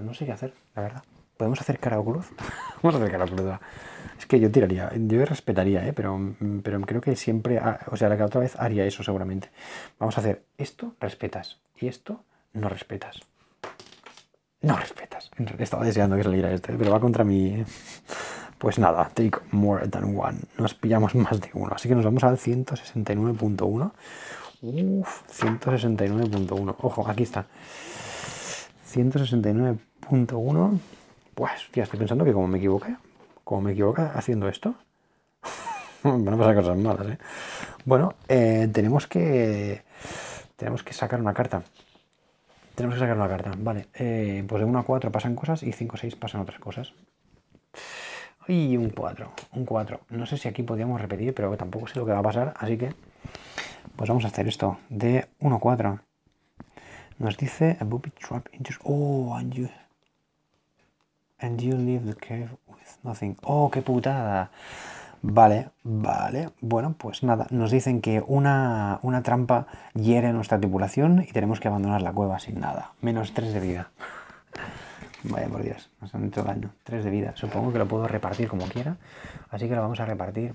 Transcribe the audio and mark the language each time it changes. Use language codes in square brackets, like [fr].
[es] No sé qué hacer, la verdad. ¿Podemos hacer cara o cruz? Vamos a hacer cara o cruz. Es que yo tiraría, yo respetaría, ¿eh? Pero creo que siempre, o sea, la otra vez haría eso seguramente. Vamos a hacer esto, respetas, y esto, no respetas. No respetas. En realidad estaba deseando que saliera este, pero va contra mí. Pues nada, [en] take more than one. [es] Nos pillamos más de uno. Así que nos vamos al 169.1. Uf, 169.1. Ojo, aquí está. 169.1. Pues, ya estoy pensando que como me equivoqué haciendo esto, van a pasar cosas malas, ¿eh? Bueno, tenemos que sacar una carta. Tenemos que sacar una carta. Vale, pues de 1 a 4 pasan cosas y 5 a 6 pasan otras cosas. Y un 4, un 4. No sé si aquí podríamos repetir, pero tampoco sé lo que va a pasar. Así que, pues vamos a hacer esto. De 1 a 4. Nos dice, [en] a booby trap in just... Oh, and you... And you leave the cave with nothing. [es] Oh, qué putada. Vale. Bueno, pues nada. Nos dicen que una trampa hiere nuestra tripulación y tenemos que abandonar la cueva sin nada. Menos 3 de vida. Vaya, por Dios. Nos han hecho daño. 3 de vida. Supongo que lo puedo repartir como quiera. Así que lo vamos a repartir.